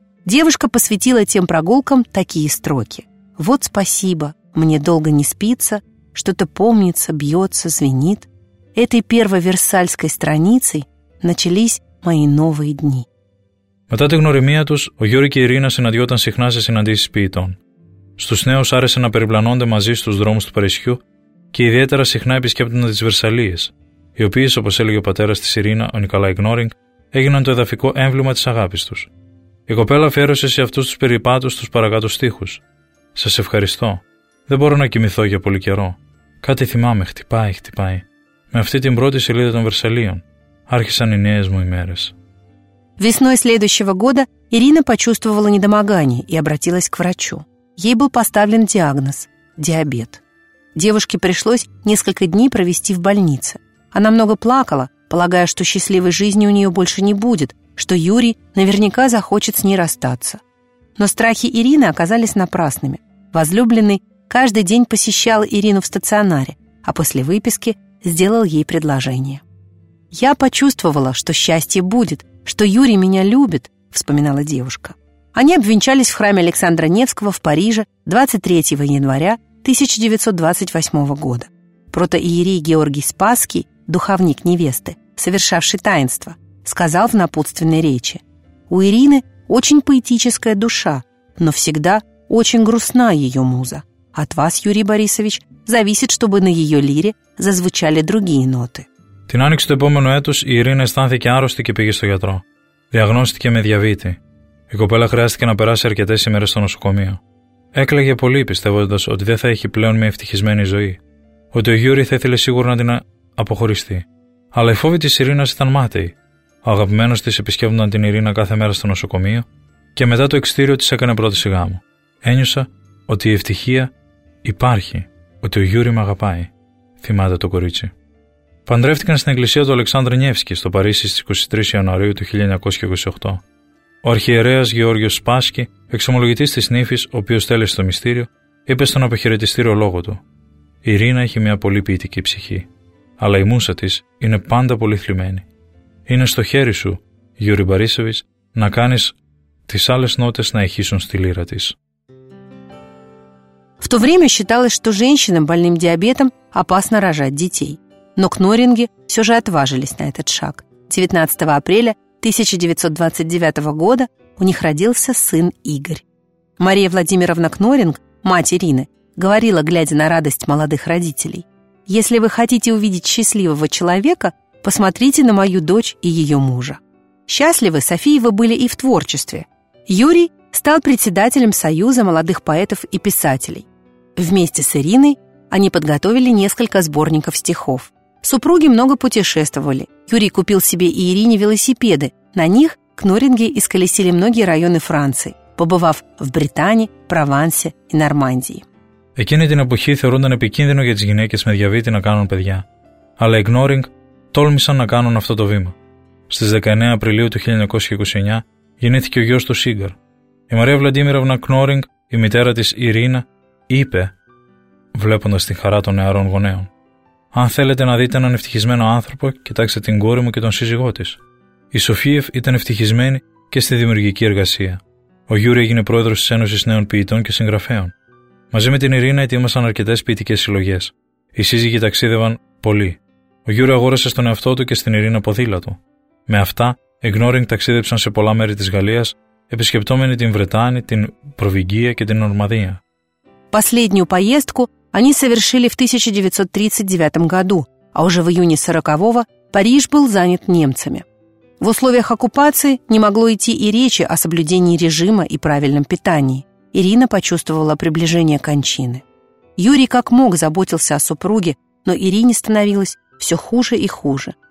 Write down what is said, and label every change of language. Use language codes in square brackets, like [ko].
[ru] Девушка посвятила тем прогулкам такие строки. «Вот спасибо, мне долго не спится, что-то помнится, бьется, звенит. Этой первой версальской страницей начались мои новые дни». [el] Μετά τη γνωριμία τους, ο Γιώργος και η Ειρήνα συναντιόταν συχνά σε συναντήσεις ποιητών. Στους νέους άρεσε να περιπλανώνται μαζί στους δρόμους του Παρισιού και ιδιαίτερα συχνά επισκέπτονται τις Βερσαλίες, οι οποίες, όπως έλεγε ο πατέρας της Ειρήνα, ο Νικολάη Γνόρινγκ, έγιναν το εδαφικό έμβλημα της αγάπης τους. Η κοπέλα αφιέρωσε σε αυτούς τους περιπάτους τους παρακάτω στίχους. «Σας ευχαριστώ. Δεν μπορώ να κοιμηθώ για πολύ καιρό. Κάτι θυμάμαι, χτυπάει, χτυπάει. Με αυτή την πρώτη σελίδα των Βερσαλίων άρχισαν οι νέες μου ημέρες». [ru] Весной следующего года Ирина почувствовала недомогание и обратилась к врачу. Ей был поставлен диагноз – диабет. Девушке пришлось несколько дней провести в больнице. Она много плакала, полагая, что счастливой жизни у нее больше не будет, что Юрий наверняка захочет с ней расстаться. Но страхи Ирины оказались напрасными. Возлюбленный каждый день посещал Ирину в стационаре, а после выписки сделал ей предложение. «Я почувствовала, что счастье будет», «Что Юрий меня любит», – вспоминала девушка. Они обвенчались в храме Александра Невского в Париже 23 января 1928 года. Протоиерей Георгий Спасский, духовник невесты, совершавший таинство, сказал в напутственной речи: «У Ирины очень поэтическая душа, но всегда очень грустна ее муза. От вас, Юрий Борисович, зависит, чтобы на ее лире зазвучали другие ноты». [el] Την άνοιξη του επόμενου έτους η Ειρήνα αισθάνθηκε άρρωστη και πήγε στο γιατρό. Διαγνώστηκε με διαβήτη. Η κοπέλα χρειάστηκε να περάσει αρκετές ημέρες στο νοσοκομείο. Έκλαιγε πολύ, πιστεύοντας ότι δεν θα έχει πλέον μια ευτυχισμένη ζωή. Ότι ο Γιούρι θα ήθελε σίγουρα να την αποχωριστεί. Αλλά οι φόβοι της Ειρήνας ήταν μάταιοι. Ο αγαπημένος της επισκέπτονταν την Ειρήνα κάθε μέρα στο νοσοκομείο και μετά το εξτήριο της έκανε πρόταση γάμου. Ένιωσα ότι η ευτυχία υπάρχει. Ότι ο Γιούρι με αγαπάει, θυμάται το κορίτσι. Παντρεύτηκαν στην εκκλησία του Αλεξάνδρ Νιεύσκη στο Παρίσι στις 23 Ιανουαρίου του 1928. Ο αρχιερέας Γεώργιος Σπάσκι, εξομολογητής της νύφης, ο οποίος τέλεσε το μυστήριο, είπε στον αποχαιρετιστήριο λόγο του: «Η Ειρήνα έχει μια πολύ ποιητική ψυχή, αλλά η μούσα της είναι πάντα πολύ θλιμμένη. Είναι στο χέρι σου, Γιούρι Μπαρίσεβιτς, να κάνεις τις άλλες νότες να ηχήσουν στη λύρα της». [ru] В то время считалось, что женщинам, больным диабетом, опасно рожать детей. Но Кноринги все же отважились на этот шаг. 19 апреля 1929 года у них родился сын Игорь. Мария Владимировна Кноринг, мать Ирины, говорила, глядя на радость молодых родителей: «Если вы хотите увидеть счастливого человека, посмотрите на мою дочь и ее мужа». Счастливы Софиевы были и в творчестве. Юрий стал председателем Союза молодых поэтов и писателей. Вместе с Ириной они подготовили несколько сборников стихов. Супруги много путешествовали. Юрий купил себе и Ирине велосипеды. На них кноринги исколесили многие районы Франции, побывав в Британии, Провансе и Нормандии. [el] Εκείνη την εποχή θεωρούνταν επικίνδυνο για τις γυναίκες με διαβήτη να κάνουν παιδιά. Αλλά οι Κνόρινγκ τόλμησαν να κάνουν αυτό το βήμα. Στις 19 Απριλίου του 1929 γεννήθηκε ο γιος του Σίγκαρ. Η Μαρία Βλαντίμιροβνα Κνόρινγκ, η μητέρα της Ιρίνα, είπε, βλέποντας την χαρά των νεαρών γονέων, «Αν θέλετε να δείτε έναν ευτυχισμένο άνθρωπο, κοιτάξτε την κόρη μου και τον σύζυγό της». Η Σοφίεφ ήταν ευτυχισμένη και στη δημιουργική εργασία. Ο Γιούρι έγινε πρόεδρος της Ένωσης Νέων Ποιητών και Συγγραφέων. Μαζί με την Ιρίνα ετοίμασαν αρκετές ποιητικές συλλογές. Οι σύζυγοι ταξίδευαν πολύ. Ο Γιούρι αγόρασε στον εαυτό του και στην Ιρίνα ποδήλατο. Με αυτά, οι Κνόρινγκ ταξίδεψαν σε πολλά μέρη της Γαλλίας, επισκεπτόμενοι την Βρετάνη, την Προβυγγία και την Νορμανδία. [ru] Последнюю поездку они совершили в 1939 году, а уже в июне 40-го Париж был занят немцами. В условиях оккупации не могло идти и речи о соблюдении режима и правильном питании. Ирина почувствовала приближение кончины. Юрий как мог заботился о супруге, но Ирине становилось все хуже и хуже.